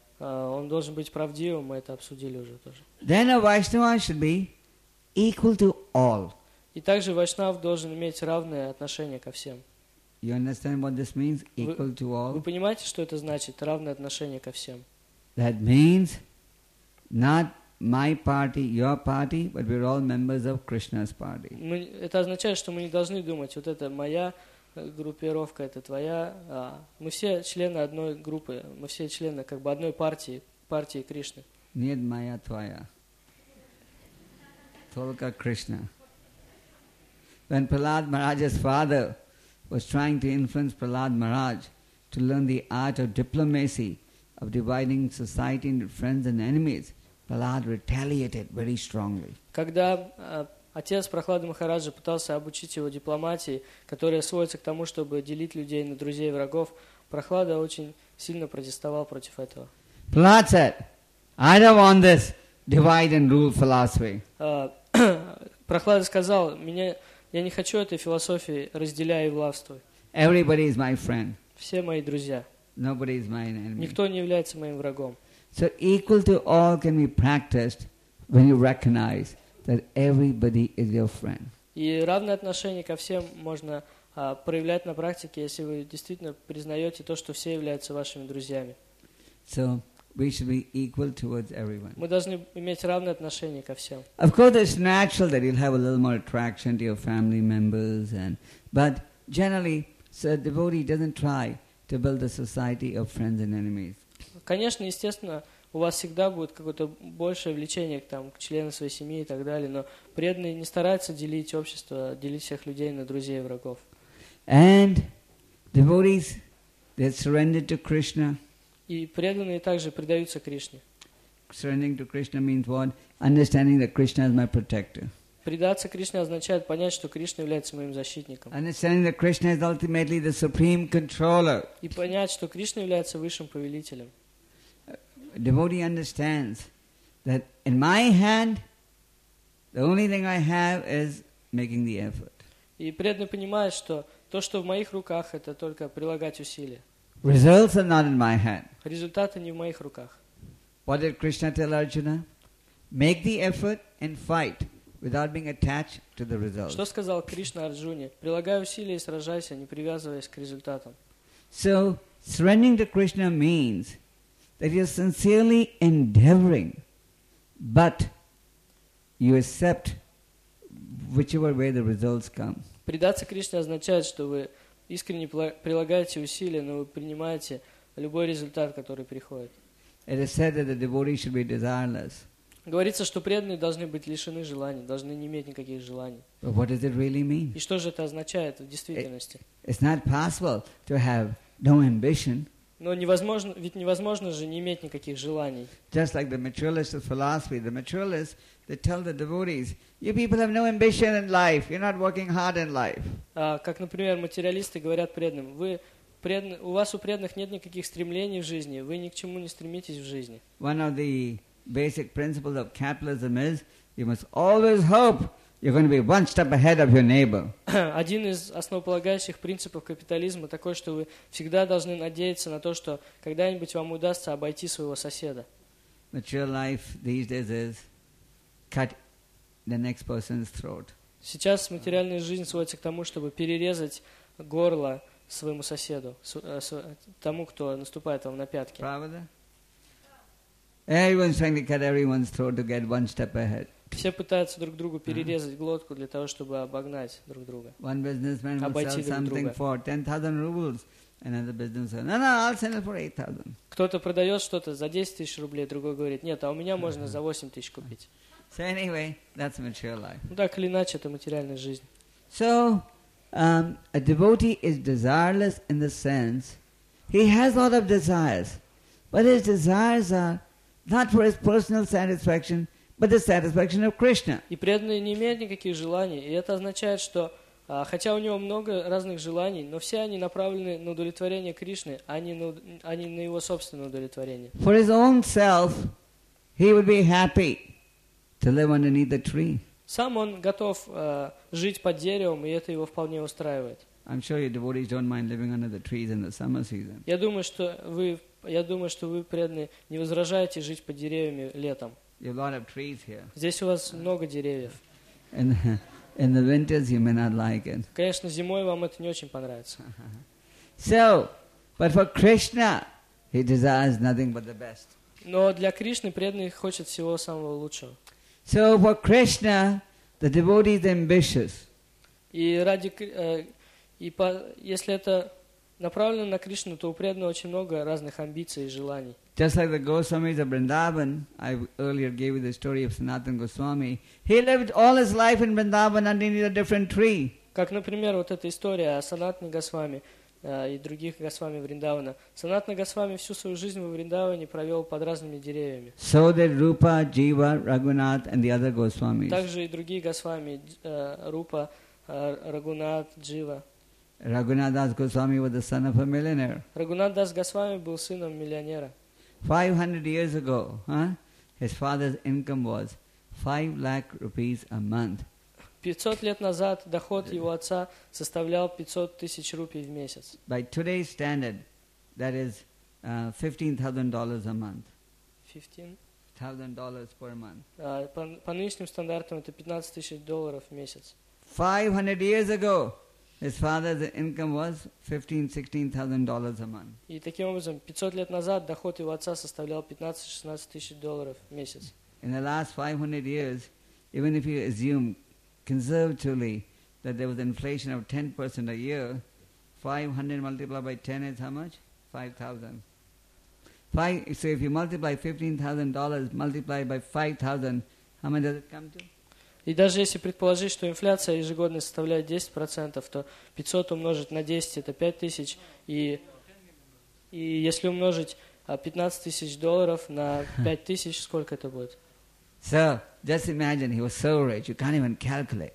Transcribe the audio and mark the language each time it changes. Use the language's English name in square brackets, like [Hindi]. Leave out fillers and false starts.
[Russian] он должен быть правдивым, мы это обсудили уже тоже. [English] Then a Vaishnava should be equal to all. [Russian] И также Вайшнав должен иметь равное отношение ко всем. [English] You understand what this means? Equal to all? [Russian] Вы понимаете, что это значит? Равное отношение ко всем. [English] That means not my party, your party, but we're all members of Krishna's party. [Russian] Это означает, что мы не должны думать, вот это моя группировка, это твоя. Мы все члены одной группы, мы все члены как бы одной партии, партии Кришны. Нет, моя, твоя. Только Кришна. [English] When Prahlad Maharaj's father was trying to influence Prahlad Maharaj to learn the art of diplomacy, of dividing society into friends and enemies, Prahlad retaliated very strongly. [Russian] Когда отец Прохлады Махараджа пытался обучить его дипломатии, которая сводится к тому, чтобы делить людей на друзей и врагов, Прохлада очень сильно протестовал против этого. [English] Prahlad said, I don't want this divide and rule philosophy. [Russian] Прохлада сказал, я не хочу этой философии разделяй и властвуй. [English] Everybody is my friend. [Russian] Все мои друзья. [English] Nobody is my enemy. [Russian] Никто не является моим врагом. [English] So equal to all can be practiced when you recognize that everybody is your friend. [Russian] И равное отношение ко всем можно проявлять на практике, если вы действительно признаете то, что все являются вашими друзьями. [English] So we should be equal towards everyone. [Russian] Мы должны иметь равное отношение ко всем. [English] Of course, it's natural that you'll have a little more attraction to your family members, but generally, so a devotee doesn't try to build a society of friends and enemies. [Russian] Конечно, естественно, у вас всегда будет какое-то большее влечение к членам своей семьи и так далее, но преданные не стараются делить общество, делить всех людей на друзей и врагов. [English] And devotees, they surrender to Krishna. [Russian] И преданные также предаются Кришне. [English] Surrendering to Krishna means what? Understanding that Krishna is my protector. [Russian] Предаться Кришне означает понять, что Кришна является моим защитником. [English] Understanding that Krishna is ultimately the supreme controller. [Russian] И понять, что Кришна является высшим повелителем. [English] A devotee understands that in my hand, the only thing I have is making the effort. [Russian] И преданный понимает, что то, что в моих руках, это только прилагать усилия. [English] Results are not in my hand. [Russian] Результаты не в моих руках. [English] What did Krishna tell Arjuna? Make the effort and fight without being attached to the result. [Russian] Что сказал Кришна Арджуне? Прилагай усилия и сражайся, не привязываясь к результатам. [English] So, surrendering to Krishna means that you're sincerely endeavoring, but you accept whichever way the results come. [Russian] Предаться Кришне означает, что вы искренне прилагаете усилия, но вы принимаете любой результат, который приходит. [English] It is said that the devotee should be desireless. [Russian] Говорится, что преданные должны быть лишены желаний, должны не иметь никаких желаний. [English] But what does it really mean? [Russian] И что же это означает в действительности? [English] It's not possible to have no ambition. [Russian] Но невозможно, ведь невозможно же не иметь никаких желаний. [English] Just like the materialists of philosophy, the materialists, they tell the devotees, you people have no ambition in life, you're not working hard in life. [Russian] Как, например, материалисты говорят преданным, у вас у преданных нет никаких стремлений в жизни, вы ни к чему не стремитесь в жизни. [English] One of the basic principles of capitalism is, you must always hope you're going to be one step ahead of your neighbor. [Russian] Один из основополагающих принципов капитализма такой, что вы всегда должны надеяться на то, что когда-нибудь вам удастся обойти своего соседа. [English] Material life these days is cut the next person's throat. [Russian] Сейчас материальная жизнь сводится к тому, чтобы перерезать горло своему соседу, тому, кто наступает вам на пятки. Правда? [English] Everyone's trying to cut everyone's throat to get one step ahead. [Russian] Все пытаются друг другу перерезать глотку для того, чтобы обогнать друг друга. [English] One businessman will sell something for 10,000 rubles. Another businessman, no, I'll sell it for 8,000. [Russian] Кто-то продает что-то за 10,000 рублей, другой говорит, нет, а у меня можно за 8,000 купить. [English] So anyway, that's material life. [Russian] Ну так или иначе, это материальная жизнь. [English] So, a devotee is desireless in the sense he has a lot of desires, but his desires are not for his personal satisfaction, but the satisfaction of Krishna. [Russian] И преданный не имеет никаких желаний, и это означает, что хотя у него много разных желаний, но все они направлены на удовлетворение Кришны, а не на его собственное удовлетворение. [English] For his own self, he would be happy to live underneath the tree. [Russian] Сам он готов жить под деревом, и это его вполне устраивает. [English] I'm sure your devotees don't mind living under the trees in the summer season. [Russian] Я думаю, что вы преданные не возражаете жить под деревьями летом. [English] You have a lot of trees here. [Russian] Здесь у вас много деревьев. [English] In the winters you may not like it. [Russian] Конечно, зимой вам это не очень понравится. [English] So, but for Krishna, he desires nothing but the best. [Russian] Но для Кришны преданный хочет всего самого лучшего. [English] So for Krishna, the devotee is ambitious. [Russian] Если это направлено на Кришну, то у преданного очень много разных амбиций и желаний. [English] Just like the Goswamis of Vrindavan, I earlier gave you the story of Sanatan Goswami. He lived all his life in Vrindavan underneath a different tree. [Russian] Как, например, вот эта история о Санатане Госвами и других Госвами Вриндавана. Санатана Госвами всю свою жизнь во Вриндаване провел под разными деревьями. [English] So did Rupa, Jiva, Raghunath and the other Goswamis. [Russian] Также и другие Госвами, Рупа, Рагунат, Джива. [English] Raghunath Das Goswami was the son of a millionaire. [Russian] Raghunath Das Goswami был сыном миллионера. [English] 500 years ago, his father's income was 5 lakh rupees a month. [Russian] 500 лет назад доход его отца составлял 500 тысяч рупий в месяц. [English] By today's standard, that is $15,000 a month. $15,000 per month. [Russian] По нынешним стандартам это 15 тысяч долларов в месяц. [English] 500 years ago, his father's income was $15,000-$16,000 a month. [Russian] И таким образом, 500 лет назад доход его отца составлял 15-16 тысяч долларов в месяц. [English] In the last 500 years, even if you assume conservatively that there was inflation of 10% a year, 500 multiplied by 10 is how much? 5,000. So if you multiply $15,000 multiplied by 5,000, how much does it come to? [Russian] И даже если предположить, что инфляция ежегодно составляет 10%, то 500 умножить на 10 – это 5 тысяч. И если умножить 15 тысяч долларов на 5 тысяч, сколько это будет? [English] So, just imagine, he was so rich, you can't even calculate.